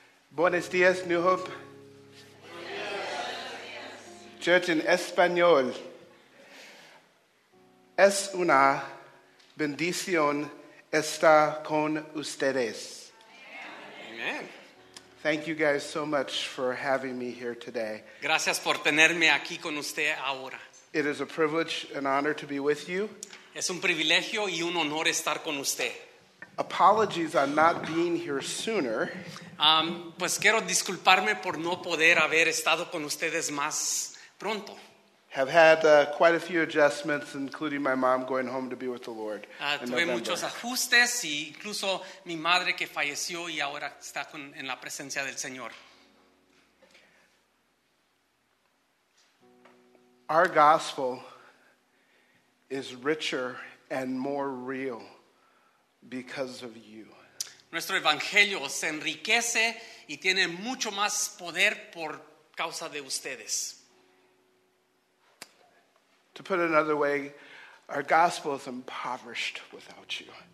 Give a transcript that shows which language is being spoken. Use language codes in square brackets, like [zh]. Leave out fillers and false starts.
[es] Buenos días, New Hope. Church en español. Es una bendición estar con ustedes. Amen. [en] Thank you guys so much for having me here today. [es] Gracias por tenerme aquí con usted ahora. [en] It is a privilege and honor to be with you. [es] Es un privilegio y un honor estar con usted. [en] Apologies on not being here sooner. [es] Pues quiero disculparme por no poder haber estado con ustedes más pronto. [en] Have had quite a few adjustments, including my mom going home to be with the Lord. [es] Tuve muchos ajustes y incluso mi madre que falleció y ahora está en la presencia del Señor. [en] Our gospel is richer and more real because of you. [es] Nuestro evangelio se enriquece y tiene mucho más poder por causa de ustedes. [en] To put it another way, our gospel is impoverished without you.